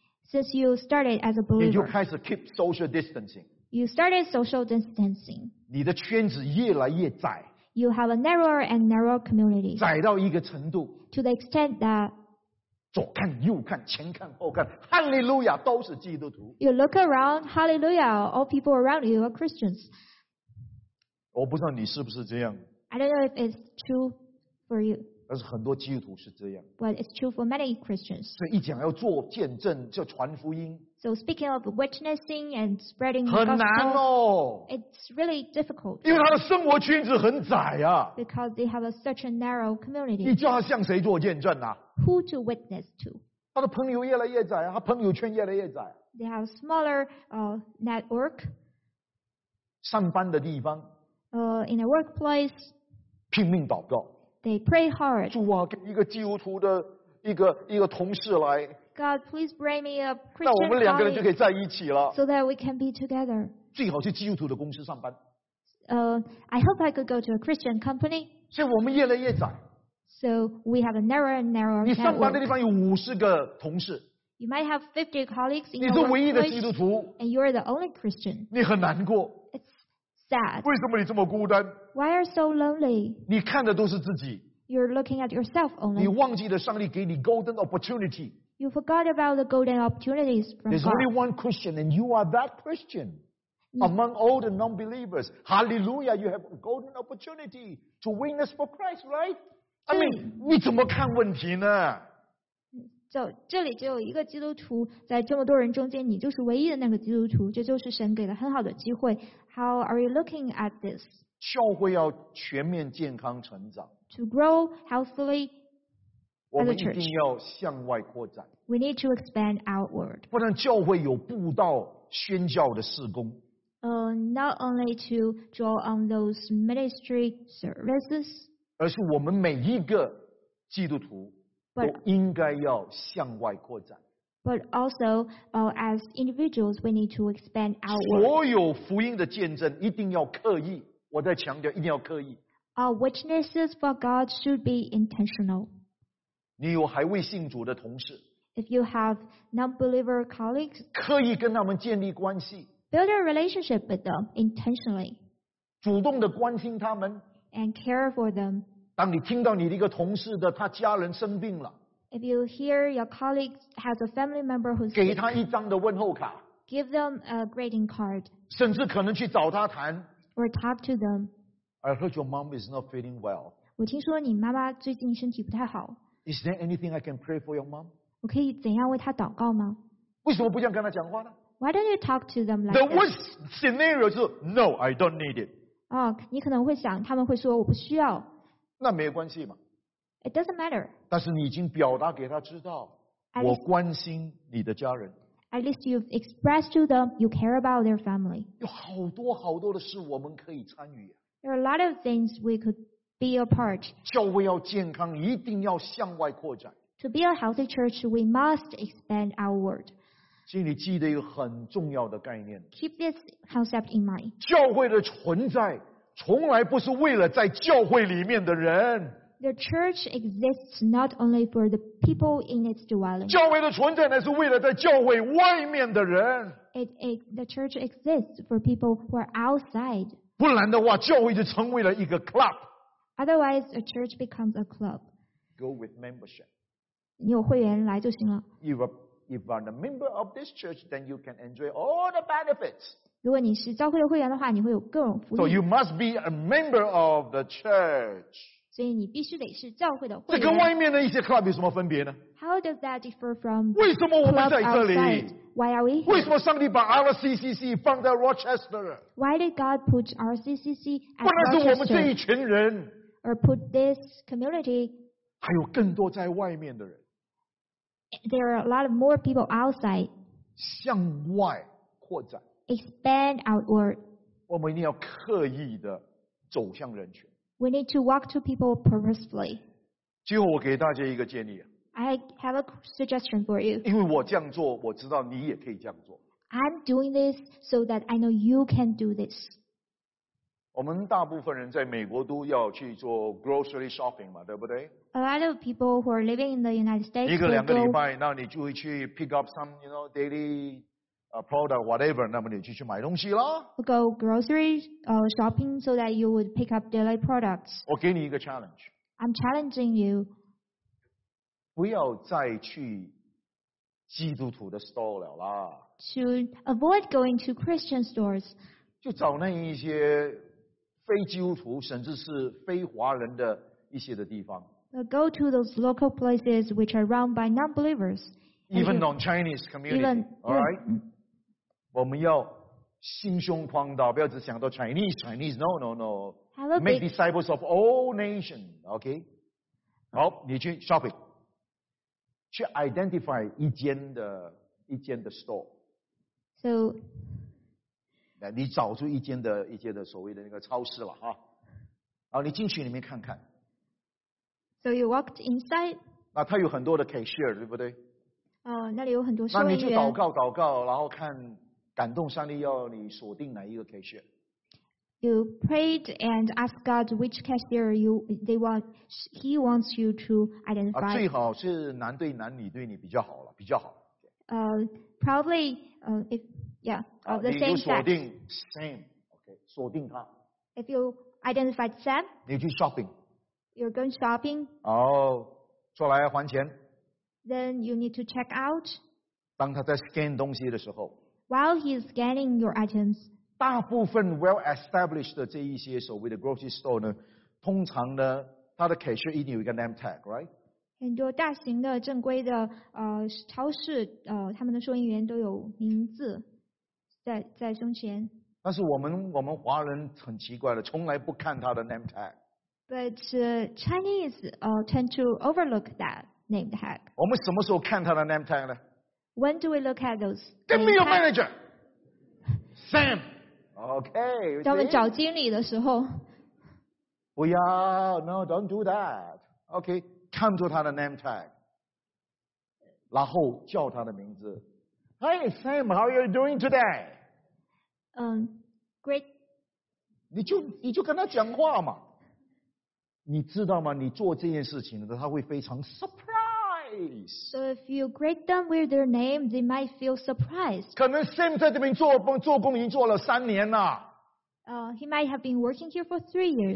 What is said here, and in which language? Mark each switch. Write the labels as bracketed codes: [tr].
[en] Since you started as a believer. [zh] 你就开始 [en] keep social distancing. You started social distancing. [zh] 你的圈子越来越窄。 [en] You have a narrower and narrower community. [zh] 窄到一个程度。 [en] To the extent that [zh] 左看右看，前看后看，哈利路亚，都是基督徒。 [en] You look around, hallelujah, all people around you are Christians. [zh] 我不知道你是不是这样。 [en] I don't know if it's true for you. [zh] 但是很多基督徒是这样。 [en] But it's true for many Christians. [zh] 所以一讲要做见证，就传福音。 [en] So speaking of witnessing and spreading the gospel, [zh] 很难哦。 [en] It's really difficult. [zh] 因为他的生活圈子很窄啊。 [en] Because they have such a narrow community. [zh] 你叫他向谁做见证啊？ [en] Who to witness to? [zh] 他的朋友越来越窄，他朋友圈越来越窄。 [en] They have smaller network. [zh] 上班的地方。 [en] In a workplace. [zh] 拼命祷告。 [en] They pray hard. [zh] 主啊，给一个基督徒的一个同事来。 [en] God, please bring me a Christian colleague. [zh] 那我们两个人就可以在一起了。 [en] So that we can be together. [zh] 最好去基督徒的公司上班。 [en] I hope I could go to a Christian company. [zh] 所以我们越来越窄。 [en] So we have a narrower and narrower network. [zh] 你上班的地方有50个同事。 [en] You might have 50 colleagues in your workplace. [zh] 你是唯一的基督徒。 [en] And you're the only Christian. [zh] 你很难过。 [en] It's sad. [zh] 为什么你这么孤单？ [en] Why are you so lonely? [zh] 你看的都是自己。 [en] You're looking at yourself only. [zh] 你忘记了上帝给你 [en] golden opportunity. You forgot about the golden opportunities from God. There's only one Christian, and you are that Christian. Among all the non-believers. Hallelujah, you have a golden opportunity to witness for Christ, right? I mean, [zh] 你怎么看问题呢？就这里只有一个基督徒，在这么多人中间，你就是唯一的那个基督徒，这就是神给了很好的机会。 [en] How are you looking at this? [zh] 教会要全面健康成长。 [en] To grow healthily. [zh] 我们一定要向外扩展。 [en] We need to expand outward. [zh] 不然教会有布道宣教的事工。 [en] Not only to draw on those ministry services. [zh] 而是我们每一个基督徒都应该要向外扩展。 [en] But But also, as individuals, we need to expand outward. [zh] 所有福音的见证一定要刻意，我在强调，一定要刻意。 [en] Our witnesses for God should be intentional. [zh] 你有还未信主的同事。 [en] If you have non-believer colleagues, [zh] 刻意跟他们建立关系。 [en] Build a relationship with them intentionally. [zh] 主动的关心他们。 [en] And care for them. [zh] 当你听到你的一个同事的他家人生病了。 [en] If you hear your colleague has a family member who's sick, [zh] 给他一张的问候卡。 [en] Give them a greeting card. [zh] 甚至可能去找他谈。 [en] Or talk to them. I heard your mom is not feeling well. [zh] 我听说你妈妈最近身体不太好。 [en] Is there anything I can pray for your mom? [zh] 我可以怎样为她祷告吗？为什么不想跟她讲话呢？ [en] Why don't you talk to them like that? The worst scenario is no, I don't need it. [zh] 你可能会想，他们会说我不需要。那没有关系嘛。 [en] It doesn't matter. [zh] 但是你已经表达给他知道 [en] least, [zh] 我关心你的家人。 [en] At least you've expressed to them you care about their family. [zh] 有好多好多的事我们可以参与。 [en] There are a lot of things we could be a part. [zh] 教会要健康一定要向外扩展。 [en] To be a healthy church, we must expand outward. [zh] 请你记得一个很重要的概念。 [en] Keep this concept in mind. [zh] 教会的存在从来不是为了在教会里面的人。 [en] The church exists not only for the people in its dwelling. [zh] 教会的存在乃是为了在教会外面的人。 [en] The church exists for people who are outside. [zh] 不然的话，教会就成为了一个 club. [en] Otherwise, a church becomes a club. Go with membership. [zh] 你有会员来就行了。 [en] If you are a member of this church, then you can enjoy all the benefits. [zh] 如果你是教会的会员的话，你会有各种福利。 [en] So you must be a member of the church. [zh] 所以你必须得是教会的会员。这跟外面的一些 club 有什么分别呢？ [en] How does that differ from club outside? [zh] 为什么我们在这里？ [en] Why are we here? [zh] 为什么上帝把 RCCC 放在 Rochester? [en] Why did God put RCCC at [zh] Rochester? 不然是我们这一群人。 [en] Or put this community. [zh] 还有更多在外面的人。 [en] There are a lot of more people outside. [zh] 向外扩展。 [en] Expand outward. [zh] 我们一定要刻意的走向人群。 [en] We need to walk to people purposefully. [zh] 最后我给大家一个建议。 [en] I have a suggestion for you. [zh] 因为我这样做，我知道你也可以这样做。 [en] I'm doing this so that I know you can do this. [zh] 我们大部分人在美国都要去做 [en] grocery shopping [zh] 嘛，对不对？ [en] A lot of people who are living in the United States [zh] 一个两个礼拜，那你就会去 [en] pick up some, you know, daily. Product whatever, [zh] 那么你就去买东西啦。 [en] Go grocery, shopping so that you would pick up daily products. [zh] 我给你一个 challenge. [en] I'm challenging you. [zh] 不要再去基督徒的 store 了啦。 [en] To avoid going to Christian stores. [zh] 就找那一些非基督徒，甚至是非华人的一些的地方。 [en] Go to those local places which are run by non-believers. Even non-Chinese community. Even, all right. [zh] 我们要心胸宽大，不要只想到 Chinese. [en] No, no, no. Make disciples of all nations. Okay. [zh] 好，你去 shopping， 去 identify 一间的 store. [en] So, [zh] 你找出一间的所谓的那个超市了哈。好，你进去里面看看。 [en] So you walked inside. [zh] 那它有很多的 cashier， 对不对？那里有很多收银员。那你就祷告，然后看。感动上帝要你锁定哪一个 cashier? [en] You prayed and asked God which cashier He wants you to identify. [zh] 最好是男对男，女对女比较好了，比较好。 [en] Probably, if yeah, of the same sex. [zh] 你就锁定 [en] same, okay, [zh] 锁定他。 [en] If you identified Sam, [zh] 你去 shopping. [en] You're going shopping. [zh] 好，出来还钱。 [en] Then you need to check out. [zh] 当他在 scan 东西的时候。 [en] While he's scanning your items, [zh] 大部分 [en] well-established [zh] 的这一些所谓的 [en] grocery store [zh] 呢，通常呢，它的 cashier 一定有一个 [en] name tag, right? [zh] 很多大型的正规的超市他们的收银员都有名字在胸前。但是我们华人很奇怪的，从来不看他的 name tag. [en] But Chinese tend to overlook that name tag. [zh] 我们什么时候看他的 name tag 呢？ [en] When do we look at those? Give me your manager, Sam. Okay. [zh] 当我们找经理的时候，不要 [en] ，No, don't do that. Okay, [zh] 看住他的 [en] name tag. [zh] 然后叫他的名字。 [en] Hi Sam, how are you doing today? Great. [zh] 你就跟他讲话嘛。你知道吗？你做这件事情的，他会非常 surprise. [en] So if you greet them with their name, they might feel surprised. [zh] 可能 Sam 在这边做工已经做了三年了。 [en] He might have been working here for 3 years.